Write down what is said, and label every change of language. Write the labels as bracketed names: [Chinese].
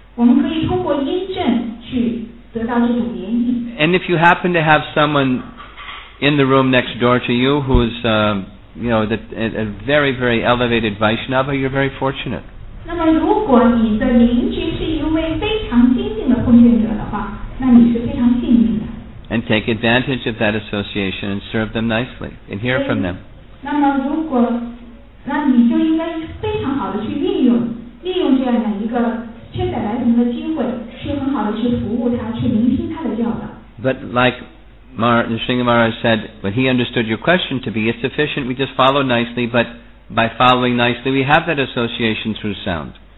[Chinese] 我们可以通过音证去得到这种联谊。 [English] And if you happen to have someone in the room next door to you who's a very, very elevated Vaishnava, you're very fortunate. [Chinese] 那么如果你的邻居是一位非常精进的奉献者的话，那你是非常幸运的。 [English] And take advantage of that association and serve them nicely and hear from them. [Chinese] 那么如果，那你就应该非常好的去利用这样的一个千载来临的机会，去很好的去服务他，去聆听他的教导。 [English] But like Srinivasa Maharaj said, when he understood your question to be, it's sufficient, we just follow nicely, but by following nicely, we have that association through sound.